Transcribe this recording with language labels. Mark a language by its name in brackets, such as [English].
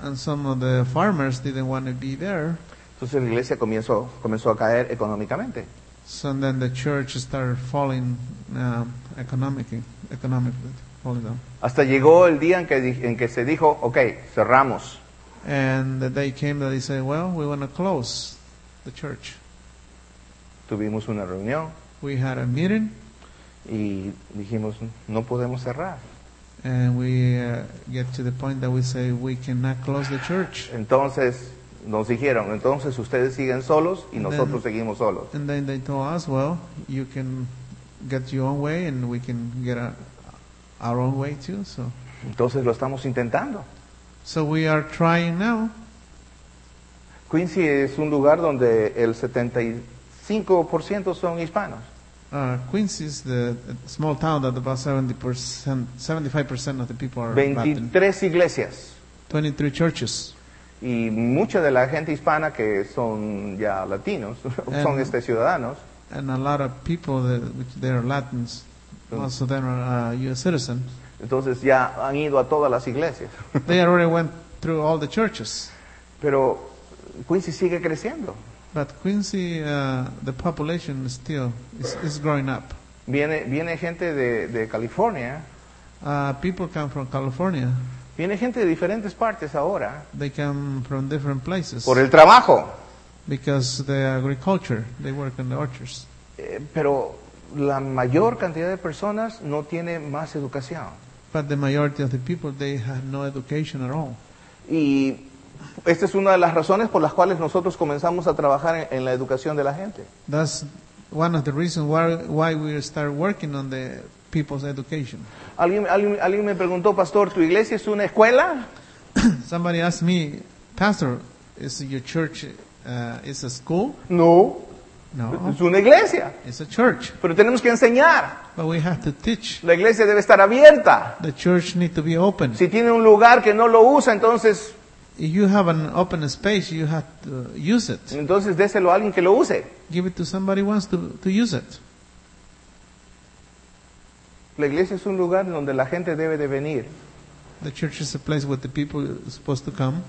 [English] And some of the farmers didn't want to be there. [Spanish] Entonces la iglesia comenzó a caer económicamente. [English] So then the church started falling economically, falling down. [Spanish] Hasta llegó el día en que se dijo, okay, cerramos. [English] And the day came that they said, well, we want to close the church. [Spanish] Tuvimos una reunión. [English] We had a meeting. [Spanish] Y dijimos, no podemos cerrar. [English] And we get to the point that we say, we cannot close the church. [Spanish] Entonces nos dijeron, entonces ustedes siguen solos y nosotros seguimos solos. [English] And then they told us, well, you can get your own way and we can get our own way too. So. [Spanish] Entonces lo estamos intentando. [English] So we are trying now. [Spanish] Quincy es un lugar donde el 75% son hispanos. [English] Quincy is the small town that about 75% of the people are [Spanish] 23 [English] Latin. [Spanish] Iglesias. [English] 23 churches. [Spanish] Y mucha de la gente hispana que son ya latinos [English] and, [Spanish] son ciudadanos. [English] And a lot of people that are Latins, most of them are U.S. citizens. [Spanish] Entonces ya han ido a todas las iglesias. [English] They already went through all the churches. [Spanish] Pero Quincy sigue creciendo. [English] But Quincy, the population is still is growing up. [Spanish] Viene gente de California. [English] People come from California. [Spanish] Viene gente de diferentes partes ahora. [English] They come from different places. [Spanish] Por el trabajo. [English] Because the agriculture, they work in the orchards. [Spanish] Pero la mayor cantidad de personas no tiene más educación. [English] But the majority of the people, they have no education at all. [Spanish] Y esta es una de las razones por las cuales nosotros comenzamos a trabajar en la educación de la gente. [English] That's one of the reasons why we start working on the people's education. [Spanish] Alguien me preguntó, pastor, ¿tu iglesia es una escuela? [English] Somebody asked me, pastor, is your church is a school? [Spanish] No. [English] No. [Spanish] Es una iglesia. [English] It's a church. [Spanish] Pero tenemos que enseñar. [English] But we have to teach. [Spanish] La iglesia debe estar abierta. [English] The church needs to be open. [Spanish] Si tiene un lugar que no lo usa, entonces [English] if you have an open space, you have to use it. [Spanish] Entonces déselo a alguien que lo use. [English] Give it to somebody who wants to use it. [Spanish] La iglesia es un lugar donde la gente debe de venir. [English] The church is a place where the people are supposed to come.